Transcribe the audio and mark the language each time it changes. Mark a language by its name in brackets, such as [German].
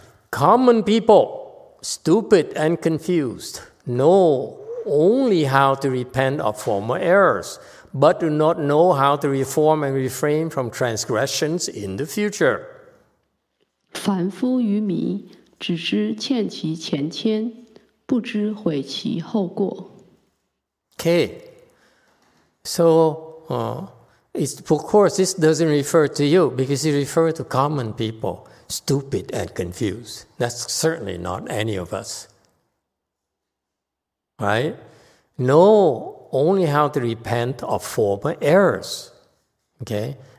[English] Common people, stupid and confused, know only how to repent of former errors, but do not know how to reform and refrain from transgressions in the future. [Chinese] 凡夫愚迷，只知欠其前愆，不知悔其后过。 [English] Okay. So, it's, of course, this doesn't refer to you, because it refers to common people, stupid and confused. That's certainly not any of us. Right? Know only how to repent of former errors. Okay?